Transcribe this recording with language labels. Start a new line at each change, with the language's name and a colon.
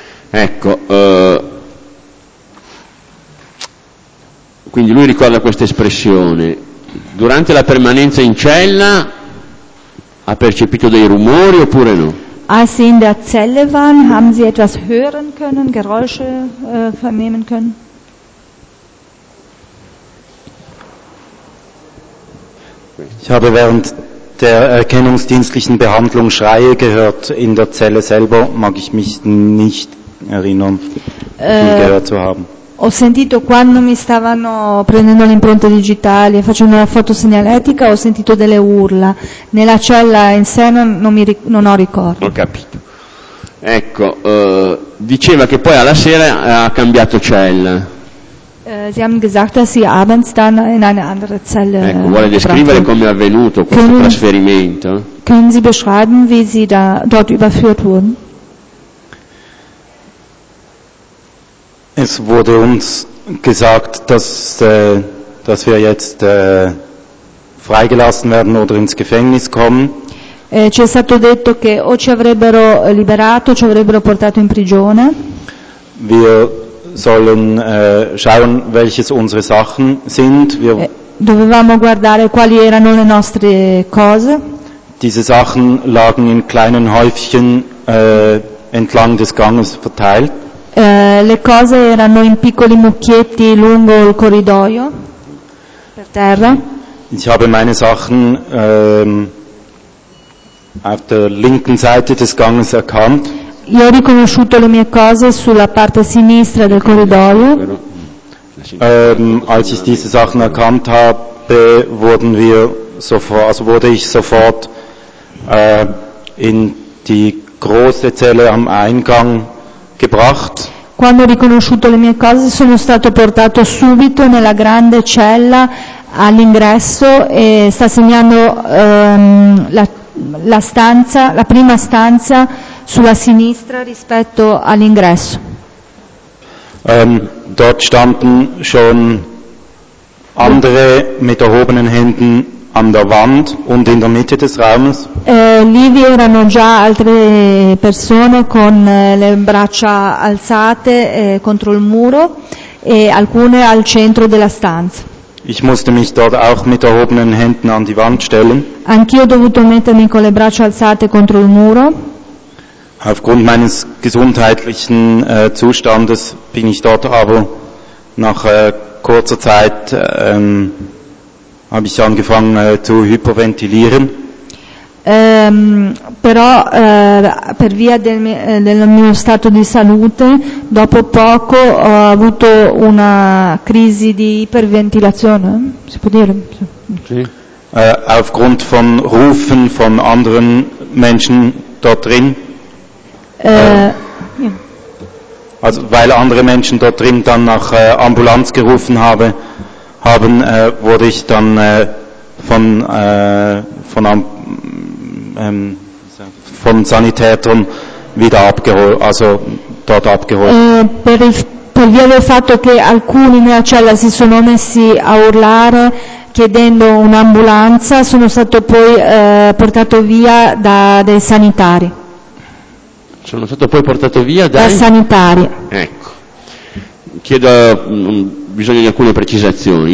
Italian: Ecco, quindi lui ricorda questa espressione. Durante la permanenza in cella ha percepito dei rumori oppure no?
German: Als Sie in der Zelle waren, haben Sie etwas hören können, Geräusche vernehmen können? Ich habe während der erkennungsdienstlichen Behandlung Schreie gehört in der Zelle selber, mag ich mich nicht erinnern, die gehört zu haben.
Italian: Ho sentito quando mi stavano prendendo le impronte digitali e facendo la fotosegnaletica, ho sentito delle urla. Nella cella in sé non ho ricordo. Ho capito. Ecco, diceva che poi alla sera ha cambiato cella.
German: Sie haben gesagt, dass Sie abends dann in eine andere Zelle.
Italian: Ecco, vuole descrivere come è avvenuto questo trasferimento?
German: Können Sie beschreiben, wie Sie da dort überführt wurden? Es wurde uns gesagt, dass wir jetzt freigelassen werden oder ins Gefängnis kommen.
Italian: Ci è stato detto che o ci avrebbero liberato, ci avrebbero portato in prigione.
German: Wir sollen schauen, welches unsere Sachen sind. Wir
Italian: dovevamo guardare quali erano le nostre cose.
German: Diese Sachen lagen in kleinen Häufchen entlang des Ganges verteilt.
Italian: Le cose erano in piccoli mucchietti lungo il corridoio per terra.
German: Ich habe meine Sachen auf der linken Seite des Ganges erkannt.
Italian: Io ho riconosciuto le mie cose sulla parte sinistra del corridoio.
German: Als ich diese Sachen erkannt habe, wurde ich sofort in die große Zelle am Eingang gebracht.
Italian: Quando ho riconosciuto le mie cose sono stato portato subito nella grande cella all'ingresso e sta segnando la stanza, la prima stanza sulla sinistra rispetto all'ingresso.
German: Dort standen schon andere mit erhobenen Händen an der Wand und in der Mitte des Raumes.
Italian: Lì vi erano già altre persone con le braccia alzate contro il muro e alcune al centro della stanza.
German: Ich musste mich dort auch mit erhobenen Händen an die Wand stellen.
Italian: Anch'io ho dovuto mettermi con le braccia alzate contro il muro.
German: Aufgrund meines gesundheitlichen Zustandes bin ich dort aber nach kurzer Zeit habe ich angefangen zu hyperventilieren.
Italian: Però per via del mio stato di salute, dopo poco ho avuto una crisi di iperventilazione, si può dire? Sì.
German: Aufgrund von Rufen von anderen Menschen dort drin. Also weil andere Menschen dort drin dann nach Ambulanz gerufen haben, wurde ich dann von Sanitätern wieder abgeholt, also dort abgeholt.
Italian: Per via del fatto che alcuni nella cella si sono messi a urlare chiedendo un'ambulanza, sono stato poi portato via da dei sanitari. Sono stato poi portato via dai sanitari. Ecco, chiedo bisogno di alcune precisazioni.